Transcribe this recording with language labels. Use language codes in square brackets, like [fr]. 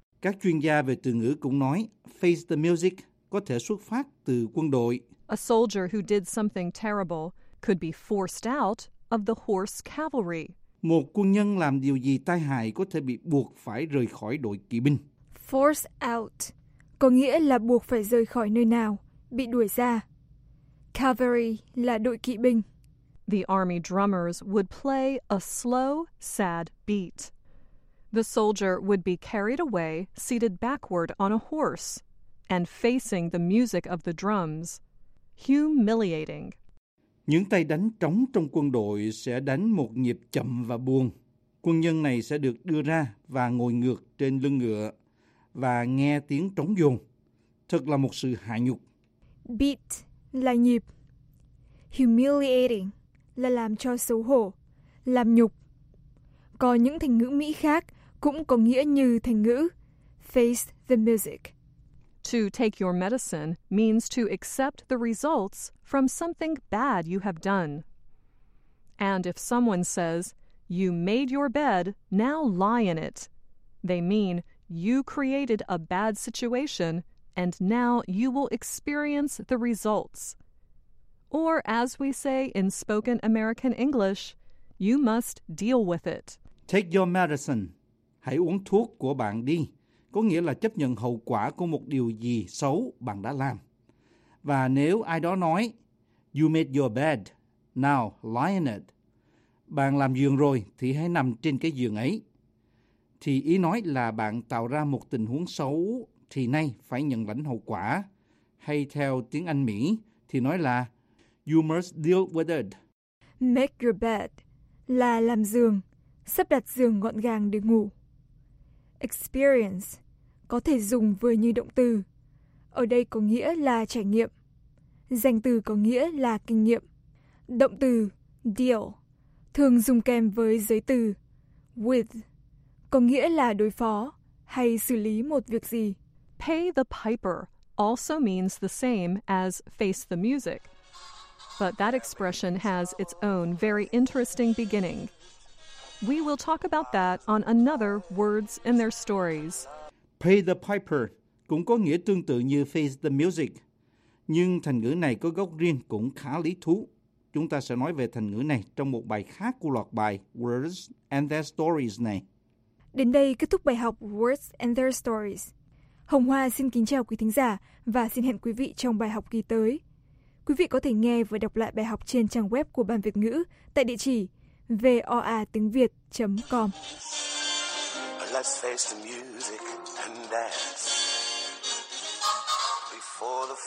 [vi] Các chuyên gia về từ ngữ cũng nói [en] face the music [vi] có thể xuất phát từ quân đội. [en] A soldier who did something terrible could be forced out of the horse cavalry. [vi] Một quân nhân làm điều gì tai hại có thể bị buộc phải rời khỏi đội kỵ binh. Force out có nghĩa là buộc phải rời khỏi nơi nào, bị đuổi ra. Cavalry là đội kỵ binh. [en] The army drummers would play a slow, sad beat. The soldier would be carried away, seated backward on a horse, and facing the music of the drums. Humiliating. [vi] Những tay đánh trống trong quân đội sẽ đánh một nhịp chậm và buồn. Quân nhân này sẽ được đưa ra và ngồi ngược trên lưng ngựa và nghe tiếng trống dồn. Thật là một sự hạ nhục. Beat là nhịp. Humiliating là làm cho xấu hổ, làm nhục. Có những thành ngữ Mỹ khác cũng có nghĩa như thành ngữ face the music. [en] To take your medicine means to accept the results from something bad you have done. And if someone says, you made your bed, now lie in it, they mean you created a bad situation and now you will experience the results. Or as we say in spoken American English, you must deal with it. Take your medicine. [vi] Hãy uống thuốc của bạn đi. Có nghĩa là chấp nhận hậu quả của một điều gì xấu bạn đã làm. Và nếu ai đó nói, [en] you made your bed, now lie in it. [vi] Bạn làm giường rồi thì hãy nằm trên cái giường ấy. Thì ý nói là bạn tạo ra một tình huống xấu thì nay phải nhận lãnh hậu quả. Hay theo tiếng Anh Mỹ thì nói là [en] you must deal with it. [vi] Make your bed là làm giường, sắp đặt giường gọn gàng để ngủ. Experience có thể dùng vừa như động từ. Ở đây có nghĩa là trải nghiệm. Danh từ có nghĩa là kinh nghiệm. Động từ deal thường dùng kèm với giới từ with có nghĩa là đối phó hay xử lý một việc gì. [en] Pay the piper also means the same as face the music. But that expression has its own very interesting beginning. We will talk about that on another Words and Their Stories. Pay the piper [vi] cũng có nghĩa tương tự như [en] face the music. [vi] Nhưng thành ngữ này có gốc riêng cũng khá lý thú. Chúng ta sẽ nói về thành ngữ này trong một bài khác của loạt bài Words and Their Stories này. Đến đây kết thúc bài học Words and Their Stories. Hồng Hoa xin kính chào quý thính giả và xin hẹn quý vị trong bài học kỳ tới. Quý vị có thể nghe và đọc lại bài học trên trang web của Ban Việt Ngữ tại địa chỉ voatiengviet.com. [en] Let's face the music and dance before the